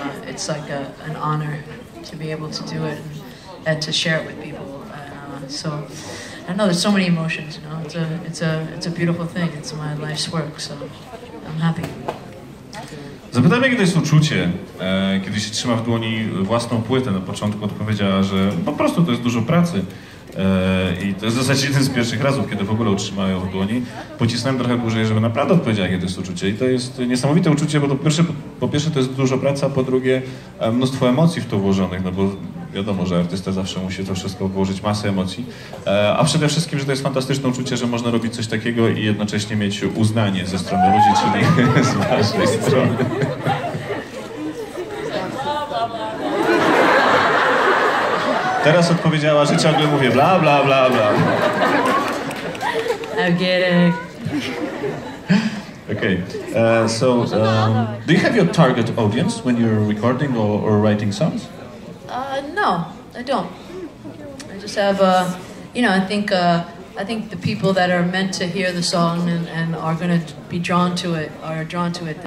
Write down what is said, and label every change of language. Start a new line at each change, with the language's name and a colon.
English: It's like an honor to be able to do it and to share it with people. So, I don't know, there's so many emotions, you know, it's a beautiful thing. It's my life's work, so I'm happy.
Polish: Zapytałem, jakie to jest uczucie, kiedy się trzyma w dłoni własną płytę. Na początku odpowiedziała, że po prostu to jest dużo pracy. I to jest w zasadzie jeden z pierwszych razów, kiedy w ogóle otrzymają w dłoni. Pocisnąłem trochę dłużej, żeby naprawdę odpowiedziała, jakie to jest uczucie. I to jest niesamowite uczucie, bo po pierwsze to jest dużo pracy, a po drugie mnóstwo emocji w to włożonych, no bo wiadomo, że artysta zawsze musi to wszystko włożyć, masę emocji. A przede wszystkim, że to jest fantastyczne uczucie, że można robić coś takiego i jednocześnie mieć uznanie ze strony ludzi, czyli z waszej strony. Teraz odpowiedziała, że ciągle mówię bla, bla, bla, bla.
English: I'm kidding. Okay, so do you have your target audience when you're recording or writing songs? No, I don't. I just have, you know, I think the people that are meant to hear the song and are going to be drawn to it are drawn to it.